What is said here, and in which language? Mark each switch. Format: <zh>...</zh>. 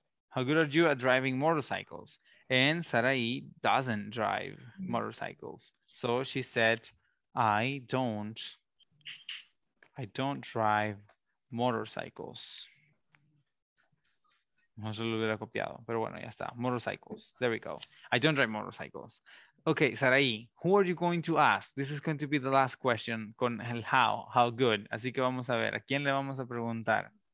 <en>How good are you at driving motorcycles? And Sarai doesn't drive motorcycles. So she said, I don't drive motorcycles.</en> <es>No se lo hubiera copiado, pero bueno, ya está.</es> <en>Motorcycles. There we go. I don't drive motorcycles. Okay, Sarai, who are you going to ask? This is going to be the last question</en> <es>con el</es> <en>how good.</en> <es>Así que vamos a ver, ¿a quién le vamos a preguntar?</es>